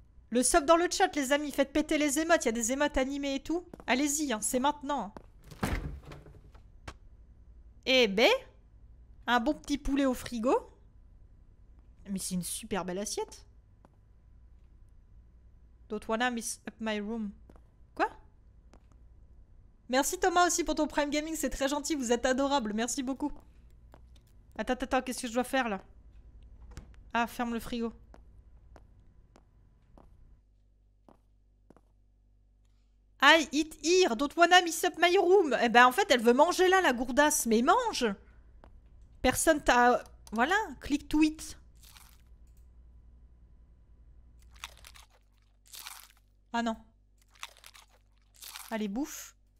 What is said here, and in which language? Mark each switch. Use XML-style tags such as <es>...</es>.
<fr>Le sub dans le chat, les amis. Faites péter les émotes. Il y a des émotes animées et tout. Allez-y, hein, c'est maintenant. Eh ben, un bon petit poulet au frigo. Mais c'est une super belle assiette.</fr> <en>Don't wanna miss up my room.</en> <fr>Quoi? Merci Thomas aussi pour ton Prime Gaming. C'est très gentil, vous êtes adorable. Merci beaucoup. Attends, attends, qu'est-ce que je dois faire là? Ah, ferme le frigo.</fr> <en>I eat here, don't wanna miss up my room.</en> <fr>Eh ben en fait, elle veut manger là, la gourdasse. Mais mange! Personne t'a... Voilà,</fr> <en>click to eat.</en> <fr>Ah non. Allez, bouffe.</fr>